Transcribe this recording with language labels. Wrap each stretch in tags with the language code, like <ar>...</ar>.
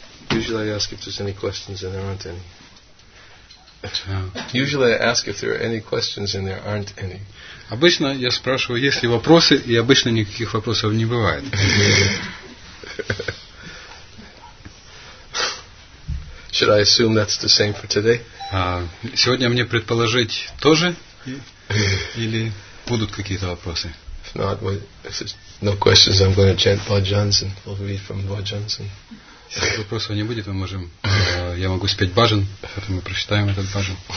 <en>usually I ask if there's any questions and there aren't any. Yeah. Usually I ask if there are any questions and there aren't any.</en> <ru>Обычно я спрашиваю, есть ли вопросы, и обычно никаких вопросов не бывает.</ru> <en>Should I assume that's the same for today?</en> <ru>Сегодня мне предположить тоже? Или будут какие-то вопросы?</ru> <en>If not, well, if there's no questions, I'm going to chant bhajans and we'll read from bhajans.</en> <ru>Если вопросов не будет, мы можем, я могу спеть бажан, поэтому мы прочитаем этот бажан.</ru>